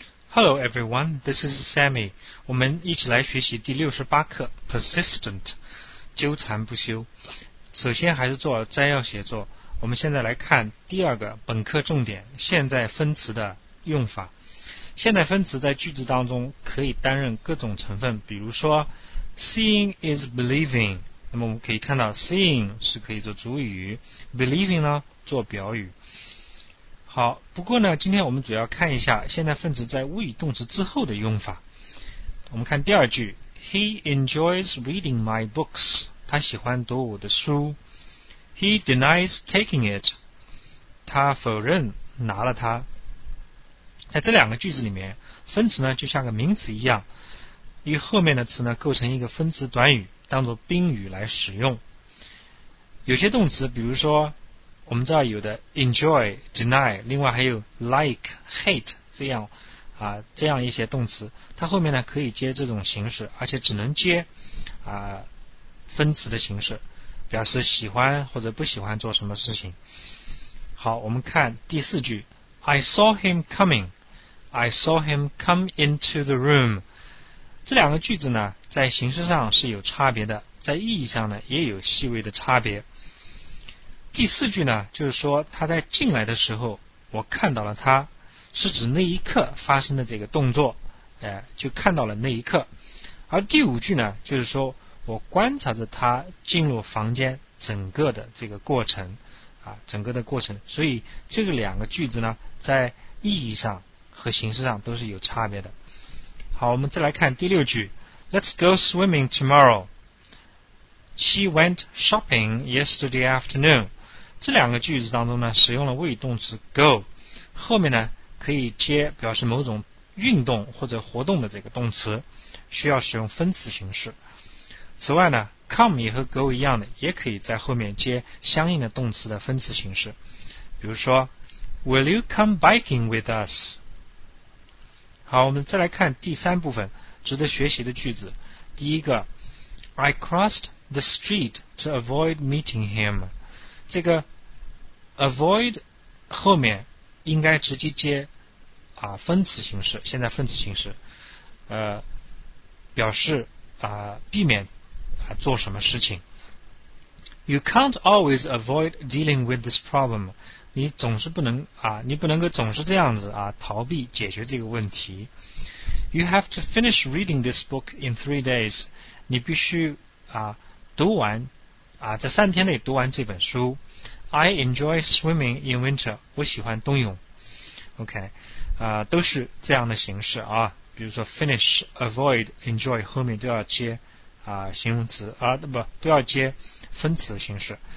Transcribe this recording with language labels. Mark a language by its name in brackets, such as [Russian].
[English] Hello everyone, this is Sammy. [Chinese] 我们一起来学习第68课 Persistent 纠缠不休。首先还是做摘要写作，我们现在来看第二个本课重点，现在分词的用法。现在分词在句子当中可以担任各种成分，比如说 [English] Seeing is believing。 [Chinese] 那么我们可以看到 Seeing 是可以做主语， Believing 呢做表语。好，不过呢，今天我们主要看一下现在分词在物语动词之后的用法。我们看第二句 [English] He enjoys reading my books， [Chinese] 他喜欢读我的书。 [English] He denies taking it， [Chinese] 他否认拿了它。在这两个句子里面，分词呢就像个名词一样，与后面的词呢构成一个分词短语，当作宾语来使用。有些动词，比如说我们知道有的 enjoy、deny， 另外还有 like、hate 这样啊，这样一些动词，它后面呢可以接这种形式，而且只能接啊分词的形式，表示喜欢或者不喜欢做什么事情。好，我们看第四句 [English] ，I saw him coming， I saw him come into the room。 [Chinese] 这两个句子呢，在形式上是有差别的，在意义上呢也有细微的差别。第四句呢，就是说他在进来的时候，我看到了他，是指那一刻发生的这个动作，就看到了那一刻。而第五句呢，就是说我观察着他进入房间整个的这个过程，啊，整个的过程。所以这个两个句子呢，在意义上和形式上都是有差别的。好，我们再来看第六句 ， [English] Let's go swimming tomorrow. She went shopping yesterday afternoon. [Chinese] 这两个句子当中呢，使用了谓语动词 go， 后面呢可以接表示某种运动或者活动的这个动词，需要使用分词形式。此外呢 ，come 也和 go 一样的，也可以在后面接相应的动词的分词形式。比如说 [English] ，Will you come biking with us？ [Chinese] 好，我们再来看第三部分值得学习的句子。第一个 [English] ，I crossed the street to avoid meeting him。 [Chinese] 这个 avoid 后面应该直接接啊分词形式，现在分词形式，表示啊避免啊做什么事情。 [English] You can't always avoid dealing with this problem. [Chinese] 你总是不能啊，你不能够总是这样子啊逃避解决这个问题。 [English] You have to finish reading this book in 3 days. [Chinese] 你必须啊读完。啊，在三天内读完这本书。 [English] I enjoy swimming in winter. [Chinese] 我喜欢冬泳。 OK， 啊，都是这样的形式啊。比如说 finish、avoid、enjoy 后面都要接啊形容词啊，不都要接分词形式。